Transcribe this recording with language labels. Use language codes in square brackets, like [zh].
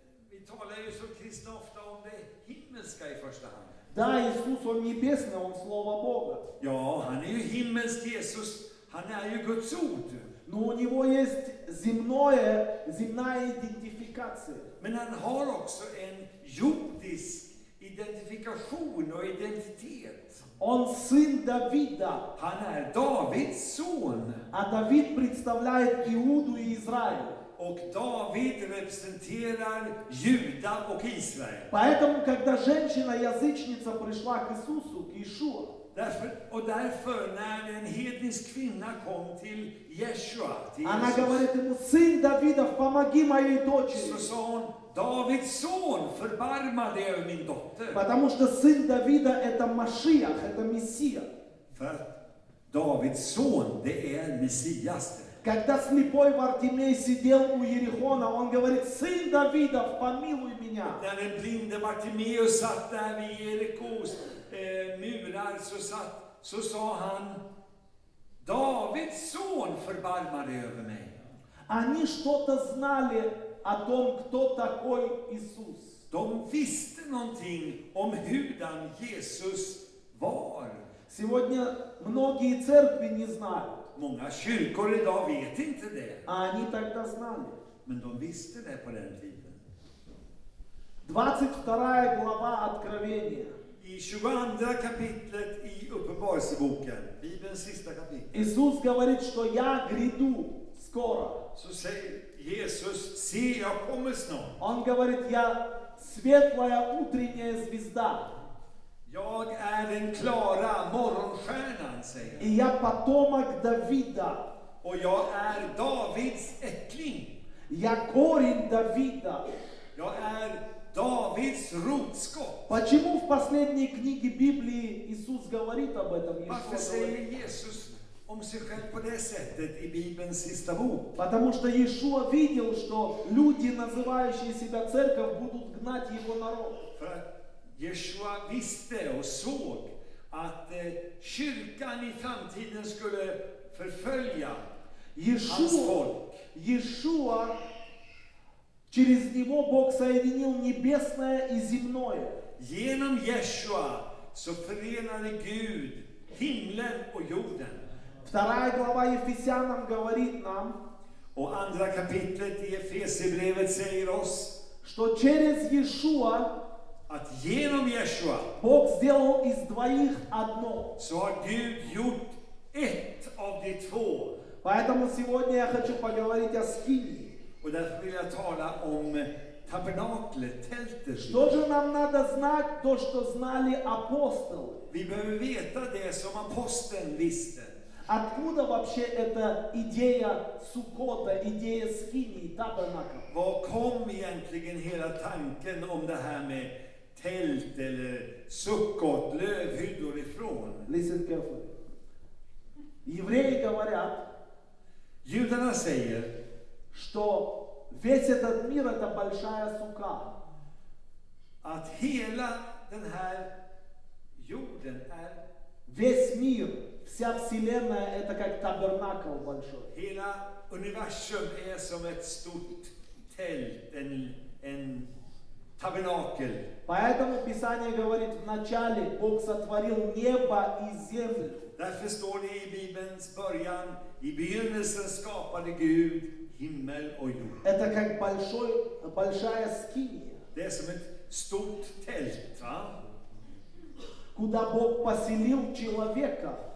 [sv] Vi talar ju som kristna ofta om det himmelska i första hand. [ru] Да, Иисус, он небесный, он Слово Бога. [sv] Ja, han är ju himmelsk Jesus, han är ju Guds ord. [ru] Но у него есть земная идентификация. [sv] Men han har också en jordisk identifikation och identitet. [ru] Он сын Давида. [sv] Han är Davids son. [ru] А Давид представляет Иуду и Израиль. [sv] Och David representerar Juda och Israel. [ru] Поэтому, когда женщина-язычница пришла к Иисусу, к Иешуа, [sv] Därför när en hednisk kvinna kom till Yeshua, till [ru] Jesus, говорит ему, сын Давидов, помоги моей дочери. [sv] Så sa hon, Davids son, förbarma dig över min dotter. [ru] Потому что сын Давида это Машиах, это Мессия. [sv] För Davids son, det är Messias. [ru] Когда слепой Вартимей сидел у Иерихона, он говорит, сын Давидов, помилуй меня. [sv] När den blinde Bartimeus satt där vid Jerikos murar så sa han, Davids son, förbarma dig över mig. [ru] Они что-то знали о том, кто такой Иисус. [sv] De visste någonting om hurdan Jesus var. [ru] Сегодня многие церкви не знают. [sv] Många kyrkor idag vet inte det. [ru] Они тогда знали. [sv] Men de visste det på den tiden. [ru] 22 глава Откровения. [sv] I 22 kapitlet i Uppenbarelseboken, Bibelns sista kapitel. [ru] Jesus говорит, что я гряду скоро. [sv] Så säger Jesus, se, jag kommer snart. [ru] Он говорит, я светлая утренняя звезда. [sv] Jag är den klara morgonstjärnan, säger han. [ru] И я потомок Давида. [sv] Och jag är Davids ättling. [ru] Я корень Давида. [sv] Jag är Davids rotskott. [ru] Почему в последней книге Библии Иисус говорит об этом? [sv] Varför säger Jesus om sig själv på det sättet i Bibelns sista bok? [ru] Потому что Иешуа видел, что люди, называющие себя церковь, будут гнать его народ. [sv] Yeshua visste och såg att kyrkan i framtiden skulle förfölja Yeshua, hans folk. [ru] Yeshua, через него Бог соединил небесное и земное. [sv] Genom Yeshua så förenade Gud himlen och jorden. [ru] Вторая глава Ефесянам говорит нам, [sv] och andra kapitlet i Efesierbrevet säger oss, [ru] что через Yeshua [sv] att genom Yeshua [ru] Бог сделал из двоих одно. [sv] Så har Gud gjort ett av de två. [ru] Поэтому сегодня я хочу поговорить о скинии. [sv] Och därför vill jag tala om tabernaklet, tältet. [ru] Что же нам надо знать, то, что знали апостолы? [sv] Vi behöver veta det som aposteln visste. [ru] Откуда вообще эта идея суккота, идея скинии, табернакла? [sv] Var kom egentligen hela tanken om det här med tält eller суккот, лövhyddor ifrån? [en] Listen carefully. [ru] Евреи говорят, [sv] judarna säger, [ru] что весь этот мир это большая сука. [sv] Att hela den här jorden är [ru] весь мир, вся вселенная это как табернакл большой. [sv] Hela universum är som ett stort tält, en tabernakel. [ru] Поэтому Писание говорит в начале Бог сотворил небо и землю. [sv] Därför står det i Bibelns början, i begynnelsen skapade Gud himmel och jord. [ru] Это как большой, большая скиния. [sv] Det är som ett stort tält, va? [ru] Куда Бог поселил человека.